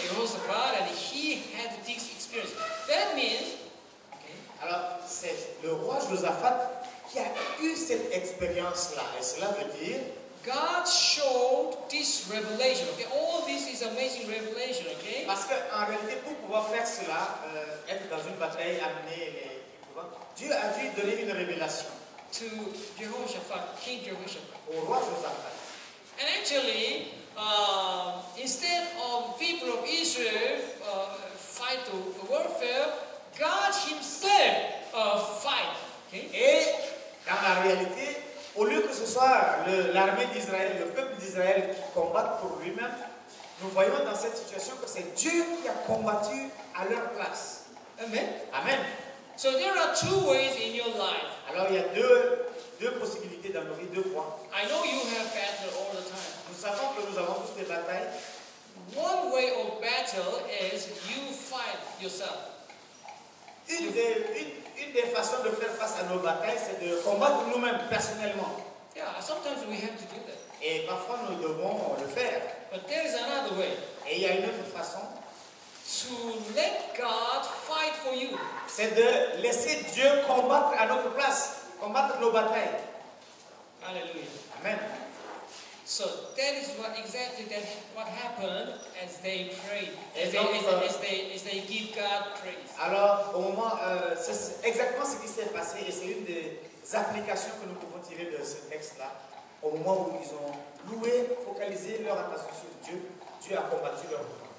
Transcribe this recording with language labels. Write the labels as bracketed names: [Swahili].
[English] Josaphat, and he had this experience. That means, okay? [French] Alors, c'est le roi Josaphat qui a eu cette expérience là, et cela veut dire [English] God showed this revelation. Okay, all this is amazing revelation. Okay. [French] Parce que en réalité, pour pouvoir faire cela, être dans une bataille, amener les Dieu a dû donner une révélation. [English] To Jehoshaphat, King Jehoshaphat. [French] Au roi Jehoshaphat. [English] And actually, instead of people of Israel fight the warfare, God Himself fight. Okay. [French] Et dans la réalité. Au lieu que ce soit l'armée d'Israël, le peuple d'Israël qui combatte pour lui-même, nous voyons dans cette situation que c'est Dieu qui a combattu à leur place. Amen. Amen. [English] So there are two ways in your life. [French] Alors il y a deux possibilités dans nos vies, deux voies. [English] I know you have battle all the time. [French] Nous savons que nous avons tous des batailles. [English] One way of battle is you fight yourself. [French] Une des façons de faire face à nos batailles, c'est de combattre nous-mêmes personnellement. [English] Yeah, sometimes we have to do that. [French] Et parfois nous devons le faire. [English] But there is another way. [French] Et il y a une autre façon. [English] To let God fight for you. [French] C'est de laisser Dieu combattre à notre place, combattre nos batailles. Hallelujah. Amen. [English] So that is what exactly that what happened as they prayed. As they give God praise. [French] Alors au moment c'est exactement ce qui s'est passé et c'est une des applications que nous pouvons tirer de ce texte là. Au moment où ils ont loué, focalisé leur attention sur Dieu, Dieu a combattu leur combat.